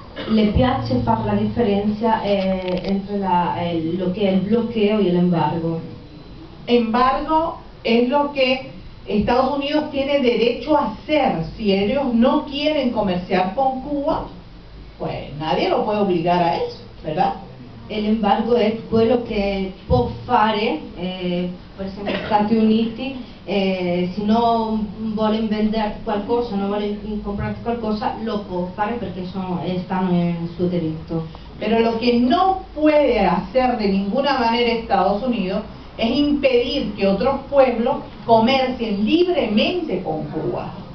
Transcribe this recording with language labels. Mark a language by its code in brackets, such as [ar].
[it] Le piace far [es] la diferencia entre lo que es el bloqueo y el embargo. Embargo es lo que Estados Unidos tiene derecho a hacer. Si ellos no quieren comerciar con Cuba, pues nadie lo puede obligar a eso, ¿verdad? El embargo es [it] quello che può fare, per esempio, gli Stati Uniti, se non vuole vendere qualcosa, non vuole comprare qualcosa, lo può fare perché stanno in suo diritto. [es] Pero lo que no puede hacer de ninguna manera Estados Unidos es impedir que otros pueblos comercien libremente con Cuba.